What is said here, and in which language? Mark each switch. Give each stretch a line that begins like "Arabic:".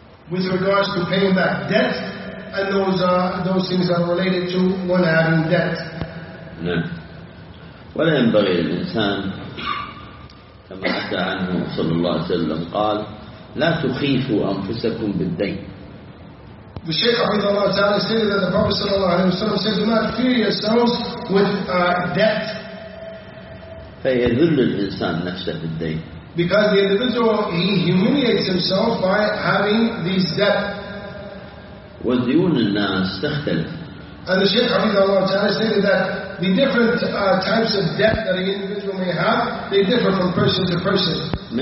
English: With regards to paying back debt, and those things are related to one having debt.
Arabic: ولا ينبغي الإنسان كما أتى عنه صلى الله عليه وسلم قال لا تخيفوا أنفسكم بالدين.
English: The Shaykh Abid Allah Ta'ala stated that the Prophet
Arabic: صلى الله عليه وسلم
English: said do not fear yourselves with debt.
Arabic: فيذل الإنسان نفسه بالدين.
English: Because the individual he humiliates himself by having these debt.
Arabic: وديون الناس تختلف.
English: And the Shaykh Abid Allah Ta'ala stated that the different types of debt that an individual may have, they differ from person to person.